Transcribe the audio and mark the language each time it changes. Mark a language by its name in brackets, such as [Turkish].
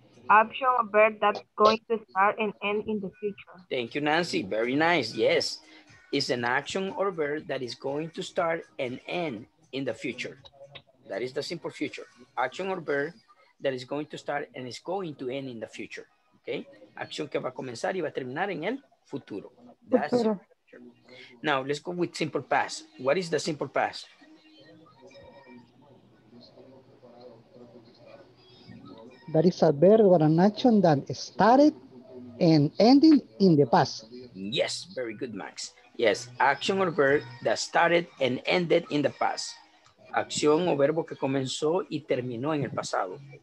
[English] Option or verb that's going to start and end in the future. Thank you, Nancy. Very nice, yes. Is an action or verb that is going to start and end in the future. That is the simple future. Action or verb that is going to start and is going to end in the future. Okay? [Spanish] Acción que va a comenzar y va a terminar en el futuro. [English] That's the future. Now, let's go with simple past. What is the simple past? That is a verb or an action that started and ended in the past. Yes, very good, Max. Yes, action or verb that started and ended in the past. [Spanish] Acción o verbo que comenzó y terminó en el pasado.